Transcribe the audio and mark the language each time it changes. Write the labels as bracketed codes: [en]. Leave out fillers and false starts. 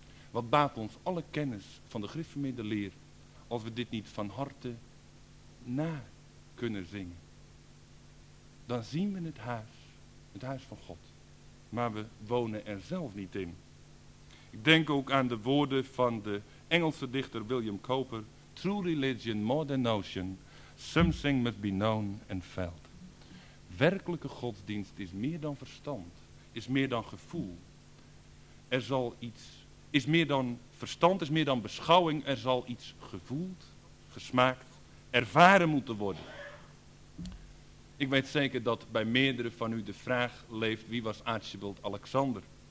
[nl] Wat baat ons alle kennis van de gereformeerde leer, als we dit niet van harte na kunnen zingen. Dan zien we het huis van God. Maar we wonen er zelf niet in. Ik denk ook aan de woorden van de Engelse dichter William Cowper. [en] True religion, more than notion, something must be known and felt. [nl] Werkelijke godsdienst is meer dan verstand, is meer dan gevoel. Er zal iets, is meer dan verstand, is meer dan beschouwing. Er zal iets gevoeld, gesmaakt, ervaren moeten worden. Ik weet zeker dat bij meerdere van u de vraag leeft, wie was Archibald Alexander?